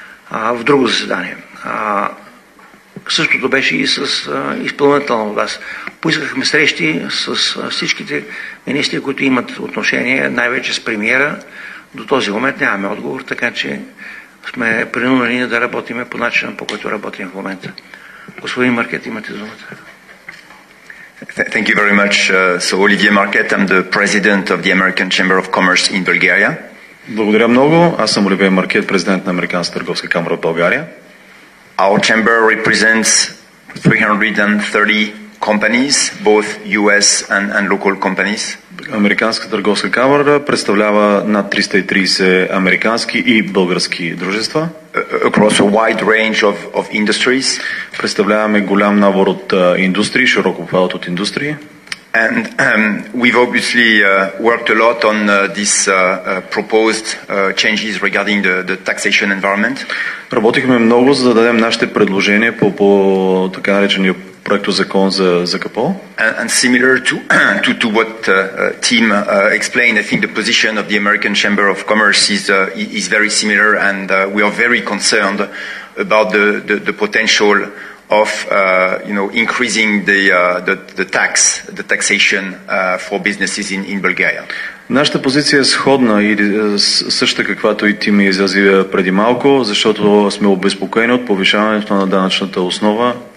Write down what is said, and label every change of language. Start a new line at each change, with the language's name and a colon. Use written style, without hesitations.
Bulgarian: В друго заседание. Същото беше и с изпълнителна власт. Поискахме срещи с всичките министри, които имат отношение, най-вече с премиера. До този момент нямаме отговор, така че сме принудени да работим по начина, по който работим в момента. Господин Маркет, имате думата.
English: Thank you very much, Olivier Marquet. I'm the president of the American Chamber of Commerce in Bulgaria.
Bulgarian: Благодаря много. Аз съм Olivier Marquet, президент на Американската търговска камера в България.
English: Our chamber represents 330 companies, both US and local companies.
Bulgarian: Американската търговска камера представлява над 330 американски и български дружества.
English: Across a wide range of industries.
Bulgarian: Представляваме голям набор от индустрии, широк обхват от индустрии.
English: And we've obviously worked a lot on this proposed changes regarding the taxation environment.
Bulgarian: Работихме много, за да дадем нашите предложения по така наречения проекто закон за КПО.
English: And similar to what Tim explained, I think the position of the American Chamber of Commerce is very similar, and we are very concerned about the potential of increasing the taxation for businesses in Bulgaria.
Bulgarian: Нашата позиция е сходна и същата, каквато и Тим изрази преди малко, защото сме обезпокоени от повишаването на данъчната основа.